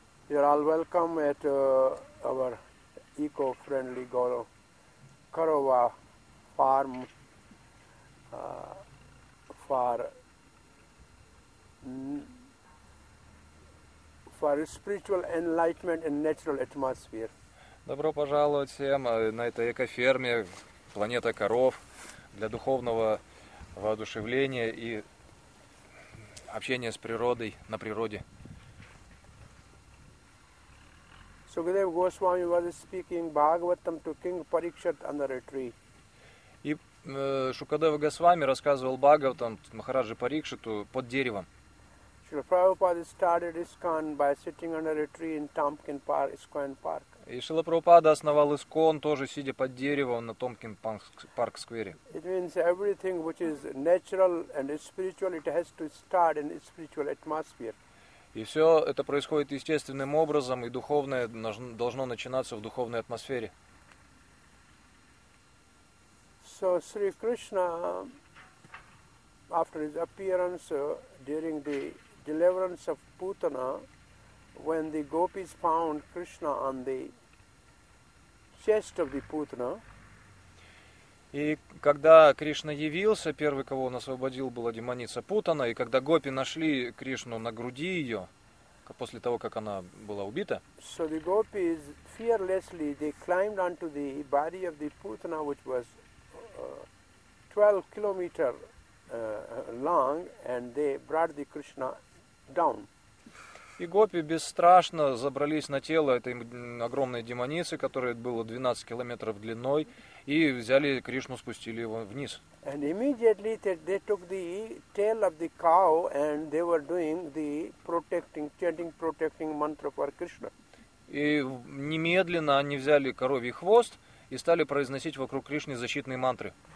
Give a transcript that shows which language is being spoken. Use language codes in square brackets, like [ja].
[en] You are all welcome at our eco friendly Gaurav Karova farm for for spiritual enlightenment and natural atmosphere. [ru] Добро пожаловать всем на этой экоферме планета коров для духовного воодушевления и общения с природой на природе. [en] Sukadev Goswami was speaking Bhagavatam to King Parikshit on the retreat. [ru] И Шукадев Госвами рассказывал Бхагаватам Махараджи Парикшиту под деревом. [en] Srila Prabhupada started ISKCON by sitting under a tree in Tompkin Park, ISKCON Park. [ru] И Шрила Прабхупада основал ISKCON тоже сидя под деревом на Tompkin Park Square. [en] It means everything which is natural and spiritual, it has to start in a spiritual atmosphere. [ru] И все это происходит естественным образом, и духовное должно начинаться в духовной атмосфере. [en] So Sri Krishna, after his appearance during the deliverance of Putana, when the gopis found Krishna on the chest of the Putana. [ru] И когда Кришна явился, первый, кого он освободил, была демоница Путана, и когда гопи нашли Кришну на груди ее, после того, как она была убита. [en] So the gopis fearlessly they climbed onto the body of the Putana, which was 12 kilometers long, and they brought the Krishna down. [ru] И гопи бесстрашно забрались на тело этой огромной демоницы, которая была 12 километров длиной, и взяли Кришну, спустили его вниз. [en] And immediately they took the tail of the cow and they were doing the protecting, chanting protecting mantra for Krishna. [ru] И немедленно они взяли коровий хвост и стали произносить вокруг Кришны защитные мантры.